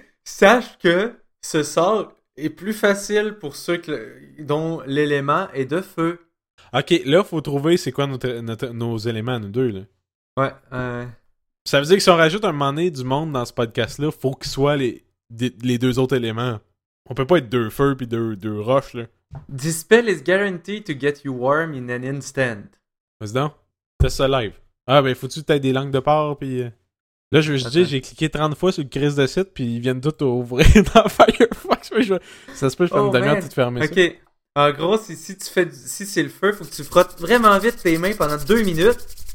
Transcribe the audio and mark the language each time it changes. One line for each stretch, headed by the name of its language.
French: Sache que ce sort est plus facile pour ceux dont l'élément est de feu. Ok, là, faut trouver c'est quoi nos éléments, nous deux, là. Ouais, Ça veut dire que si on rajoute un moment donné du monde dans ce podcast-là, faut qu'ils soient les deux autres éléments. On peut pas être deux feux pis deux roches, là.
English: Dispel is guaranteed to get you warm in an instant.
French: Vas-y donc. Test ça live. Ah, ben, faut-tu peut-être des langues de porc pis... Là, je veux juste dire, j'ai cliqué 30 fois sur le Chris de site pis ils viennent tout ouvrir dans Firefox. Ça se peut, je fais une demi-heure tout fermé. Ok. En gros, si c'est le feu, faut que tu frottes vraiment vite tes mains pendant 2 minutes.